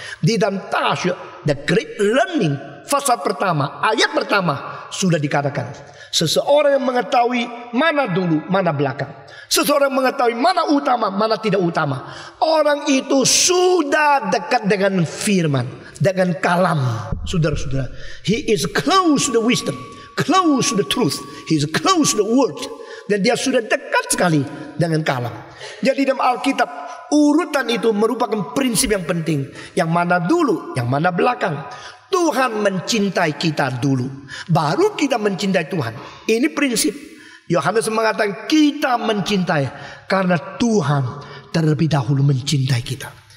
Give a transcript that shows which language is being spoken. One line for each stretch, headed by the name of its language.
Indonesian: Di dalam Ta Xue, The Great Learning, fasa pertama, ayat pertama, sudah dikatakan. Seseorang yang mengetahui mana dulu, mana belakang. Seseorang yang mengetahui mana utama, mana tidak utama. Orang itu sudah dekat dengan firman, dengan kalam. Saudara-saudara,
English: he is close to the wisdom. Close to the truth, he's close to the word.
Indonesian: Dan dia sudah dekat sekali dengan kalam. Jadi dalam Alkitab, urutan itu merupakan prinsip yang penting. Yang mana dulu, yang mana belakang. Tuhan mencintai kita dulu, baru kita mencintai Tuhan. Ini prinsip. Yohanes mengatakan kita mencintai karena Tuhan terlebih dahulu mencintai kita.